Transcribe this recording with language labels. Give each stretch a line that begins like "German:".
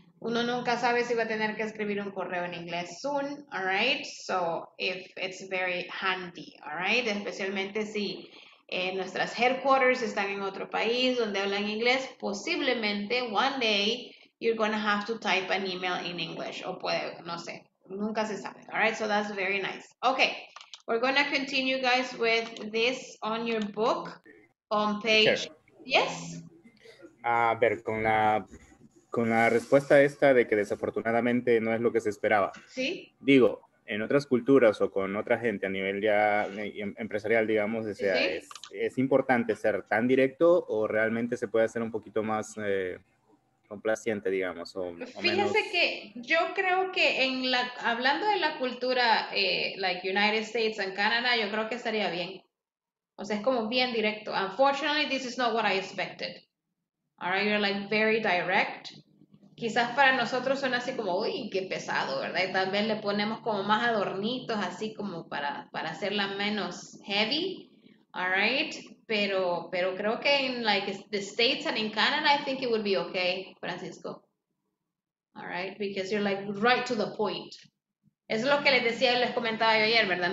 Spanish: Uno nunca sabe si va a tener que escribir un correo en inglés
English: soon, all right, so if it's very handy, all right,
Spanish: especialmente si nuestras headquarters están en otro país donde hablan inglés, posiblemente
English: one day you're gonna have to type an email in English,
Spanish: o puede, no sé, nunca se sabe,
English: all right, so that's very nice. Okay. We're going to continue, guys, with this on your book on page. Sure. Yes?
Spanish: A ver, con la respuesta esta de que desafortunadamente no es lo que se esperaba. Sí. Digo, en otras culturas o con otra gente a nivel ya empresarial, digamos, o sea, ¿sí? ¿Es importante ser tan directo o realmente se puede hacer un poquito más complaciente, digamos? Fíjese que yo creo que en la hablando de la cultura
English: like United States and Canada,
Spanish: yo creo que estaría bien. O sea, es como bien directo.
English: Unfortunately, this is not what I expected. All right, you're like very direct.
Spanish: Quizás para nosotros suena así como, uy, qué pesado, ¿verdad? Y tal vez le ponemos como más adornitos, así como para hacerla menos heavy.
English: All right.
Spanish: Pero creo que en,
English: like, the States and in Canada, I think it would be okay, Francisco. All right? Because you're, like, right to the point.
Spanish: Es lo que les decía y les comentaba yo ayer, ¿verdad?